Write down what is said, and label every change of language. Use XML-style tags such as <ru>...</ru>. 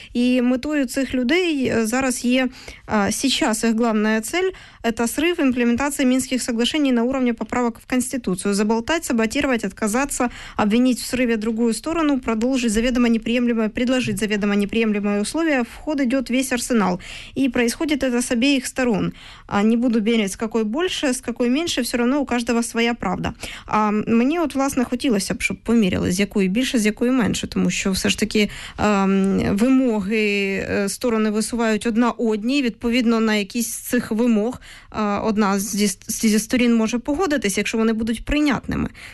<uk>І метою цих людей зараз є, зараз їх</uk> <ru>главная цель</ru> <uk>– це срив імплементації мінських</uk> <ru>соглашений на уровне поправок в Конституцию. Заболтать, саботировать, отказаться, обвинить в срыве другую сторону, предложить заведомо неприемлемые условия, в ход идет весь арсенал. И происходит это с обеих сторон. Не буду мерить, с какой больше, с какой меньше, все равно у каждого своя правда.</ru> <uk>А мені от, власне, хотілося б, щоб поміряли, з якої більше, з якої менше, тому що все ж таки вимоги сторони висувають одна одній, відповідно на якісь з цих вимог одна зі сторін може погодитись, якщо вони будуть прийнятними.</uk>